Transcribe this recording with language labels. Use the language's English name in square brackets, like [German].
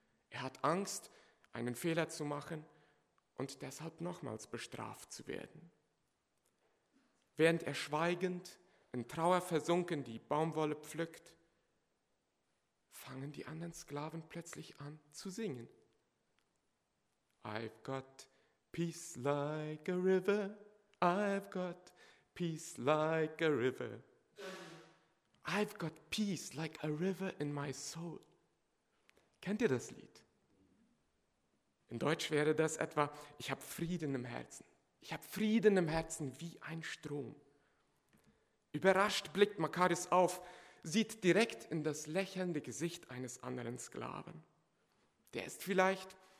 [German] Er hat Angst, einen Fehler zu machen und deshalb nochmals bestraft zu werden. Während er schweigend, in Trauer versunken, die Baumwolle pflückt, fangen die anderen Sklaven plötzlich an zu singen. [English] I've got peace like a river, I've got peace like a river. I've got peace like a river in my soul. [German] Kennt ihr das Lied? In Deutsch wäre das etwa, ich habe Frieden im Herzen. Ich habe Frieden im Herzen wie ein Strom. Überrascht blickt Makarios auf, sieht direkt in das lächelnde Gesicht eines anderen Sklaven. Der ist vielleicht